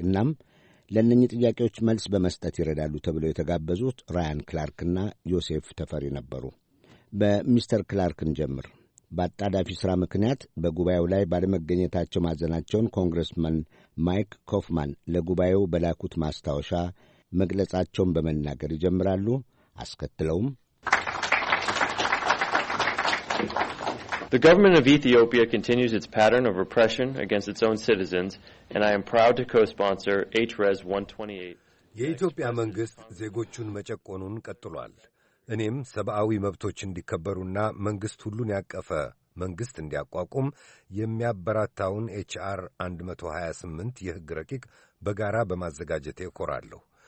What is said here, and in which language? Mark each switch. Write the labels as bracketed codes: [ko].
[am] እናም ለነኚህ ጥያቄዎች መልስ በመስጠት ይረዳሉ ተብለው የተጋበዙት ራያን ክላርክ እና ዮሴፍ ተፈሪ ነበሩ። በሚስተር ክላርክን ጀምር። በአጣዳፊ ሥራ ምክንያት በጉባኤው ላይ ባለመገኘታቸው ማዘናቸውን ኮንግረስመን ማይክ ኮፍማን ለጉባኤው በላኩት ማስታወሻ መግለጻቸውን በመናገር ይጀምራሉ። አስከትለውም [en] The government of Ethiopia continues its pattern of repression against its own citizens, and I am proud to co-sponsor HRES 128. [am] የኢትዮጵያ መንግስት ዜጎቹን መጨቆኑን ቀጥሏል። እኔም ሰብአዊ መብቶች እንዲከበሩና መንግስት ሁሉን ያቀፈ መንግስት እንዲያቋቁም የሚያበረታታውን HR 128 የህግ ረቂቅ በጋራ በማዘጋጀቴ እኮራለሁ።